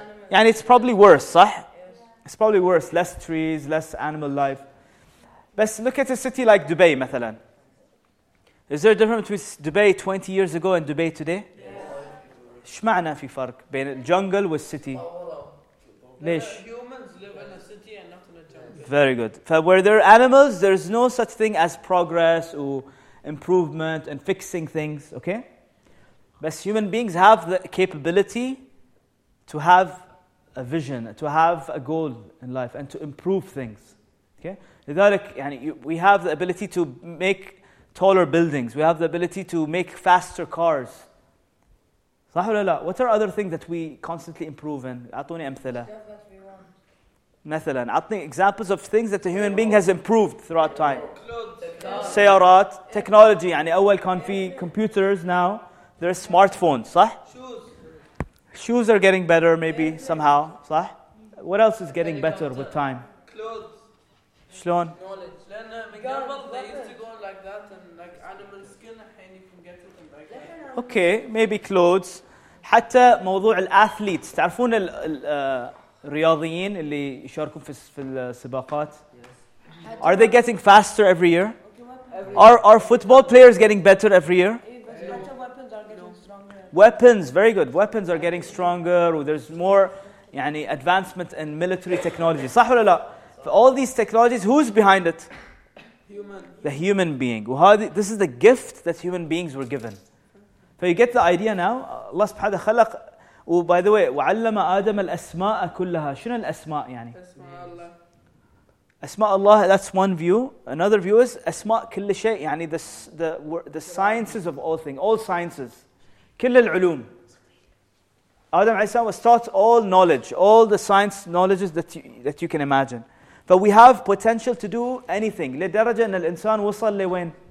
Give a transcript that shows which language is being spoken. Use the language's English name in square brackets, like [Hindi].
[English] يعني it's probably worse, صح؟ It's probably worse. Less trees, less animal life. But look at a city like Dubai, مثلا. Is there a difference between Dubai 20 years ago and Dubai today? Yes. [Arabic] شو معنى في فرق بين الجنجل والسيتي؟ ليش؟ [English] Humans live in a city and not in a jungle. Very good. Where there are animals, there is no such thing as progress or improvement and fixing things, okay? But human beings have the capability to have a vision, to have a goal in life and to improve things. Okay? [Arabic] لذلك, يعني, [English] we have the ability to make taller buildings. We have the ability to make faster cars. [Arabic] صح ولا لا? [English] What are other things that we constantly improve in? [Arabic] أعطوني أمثلة. مثلا, أعطني [English] examples of things that a human being has improved throughout time. [Arabic] سيارات, technology. يعني أول كان في computers, [English] now there are smartphones. [Arabic] صح? [English] Shoes are getting better, maybe, somehow. صح? What else is getting better with time? Clothes. [Arabic] شلون? [English] Knowledge. They used to go like that, and like animal skin, and you can get it in back. Okay, maybe clothes. [Arabic] حتى موضوع الأثليتس. تعرفون الرياضيين اللي يشاركون في السباقات? [English] Are they getting faster every year? Are football players getting better every year? Weapons, very good. Weapons are getting stronger. There's more يعني, advancement in military technology. صح ولا لا? For all these technologies, who's behind it? Human. The human being. This is the gift that human beings were given. So you get the idea now? Allah subhanahu wa ta'ala خلق. Oh, by the way, [Arabic] وَعَلَّمَ آدَمَ الْأَسْمَاءَ كُلَّهَا. شنو الأسماء يعني? أسماء الله. [English] أسماء الله, that's one view. Another view is [Arabic] أسماء كل شيء. [English] يعني the sciences of all things. All sciences. [Arabic] كل العلوم. [English] Adam عليه السلام was taught all knowledge, all the science knowledges that you can imagine. But we have potential to do anything. [Arabic] لدرجة أن الإنسان وصل لوين؟